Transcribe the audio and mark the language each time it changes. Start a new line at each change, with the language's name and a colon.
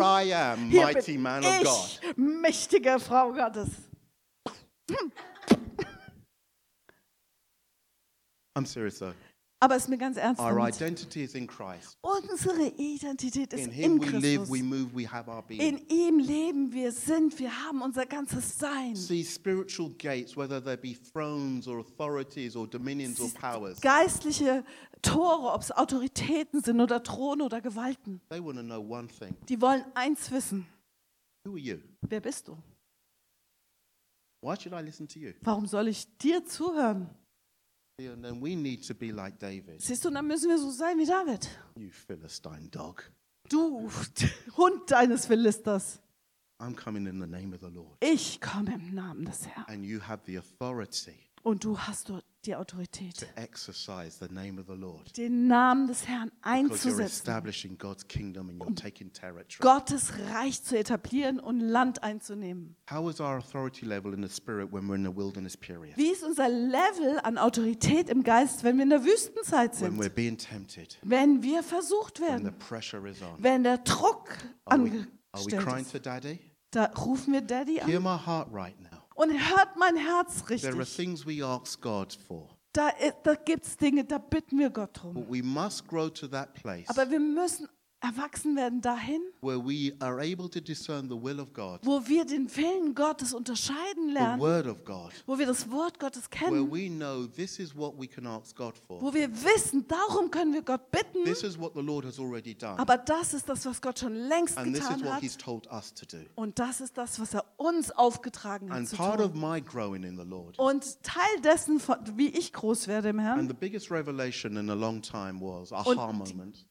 English: here I am,
German: hier
English: mighty
German: bin
English: man
German: ich,
English: of God.
German: Mächtige Frau Gottes.
English: I'm serious though.
German: Aber es ist mir ganz ernst.
English: Our identity is in Christ.
German: Unsere Identität ist in
English: him
German: Christus.
English: We live, we move, we have our being.
German: In ihm leben wir, sind wir, haben unser ganzes Sein.
English: See, spiritual gates, whether they be thrones or authorities or dominions or powers.
German: Geistliche Tore, ob es Autoritäten sind oder Throne oder Gewalten.
English: They want to know one thing.
German: Die wollen eins wissen.
English: Who are you?
German: Wer bist du?
English: Why should I listen to you?
German: Warum soll ich dir zuhören?
English: And then we need to be like David.
German: Siehst du, dann müssen wir so sein wie David.
English: You Philistine dog.
German: Du Hund deines Philisters.
English: I'm coming in the name of the Lord.
German: Ich komme im Namen des Herrn.
English: And you have the authority.
German: Und du hast dort die Autorität.
English: To exercise the name of the Lord.
German: Den Namen des Herrn einzusetzen.
English: Because you're establishing God's kingdom and you're taking territory.
German: Gottes Reich zu etablieren und Land einzunehmen.
English: How is our authority level in the spirit when we're in the wilderness period?
German: Wie ist unser Level an Autorität im Geist, wenn wir in der Wüstenzeit sind?
English: When we're being tempted.
German: Wenn wir versucht werden.
English: When the pressure is on.
German: Wenn der Druck angestellt ist.
English: Are we crying for Daddy?
German: Da rufen wir Daddy an.
English: Hear my heart right now.
German: Und hört mein Herz richtig.
English: There are things we ask God for.
German: Da gibt's Dinge, da bitten wir Gott drum.
English: But we must grow to that place.
German: Aber wir müssen erwachsen werden dahin,
English: where we are able to discern the will of God,
German: wo wir den Willen Gottes unterscheiden lernen,
English: the word of God,
German: wo wir das Wort Gottes kennen,
English: where we know this is what we can ask God for,
German: wo wir wissen, darum können wir Gott bitten,
English: this is what the Lord has already done,
German: aber das ist das, was Gott schon längst
English: and
German: getan
English: this is what
German: hat,
English: he's told us to do.
German: Und das ist das, was er uns aufgetragen
English: and
German: hat
English: part
German: zu tun.
English: Of my growing in the Lord.
German: Und Teil dessen, wie ich groß werde im Herrn,
English: and the biggest revelation in a long time was aha moment.